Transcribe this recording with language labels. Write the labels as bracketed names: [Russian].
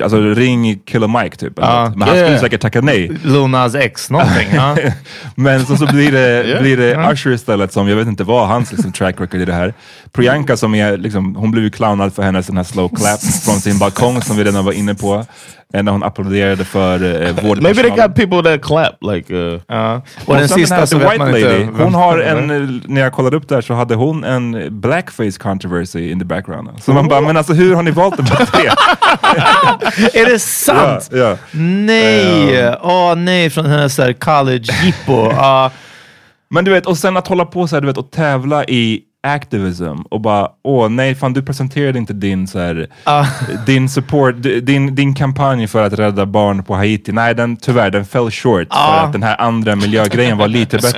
[Swedish] Alltså, ring Killer Mike typ. Men han skulle säkert tacka nej. Lil Nas X, någonting. Men så blir det, Usher istället, som jag vet inte vad hans liksom, track record i det här. Priyanka som är liksom, hon blev ju clownad för hennes den här slow clap från sin balkong som vi redan var inne på. And när hon applåderade för vårdpersonal. [English] Maybe they got people that clap, like... [Swedish] Och den sista så vet man inte. Hon har en... När jag kollade upp där så hade hon en [English] blackface controversy in the background. [Swedish] Så man bara, men alltså hur har ni valt dem att det? Är det sant? Ja. Nej. Åh nej, från hennes där college-hippo. Men du vet, och sen att hålla på så här, du vet, och tävla i... activism och bara, åh nej fan, du presenterade inte din så här, din support, din kampanj för att rädda barn på Haiti, nej den tyvärr, den [English] fell short [Swedish] för att den här andra miljögrejen var lite bättre.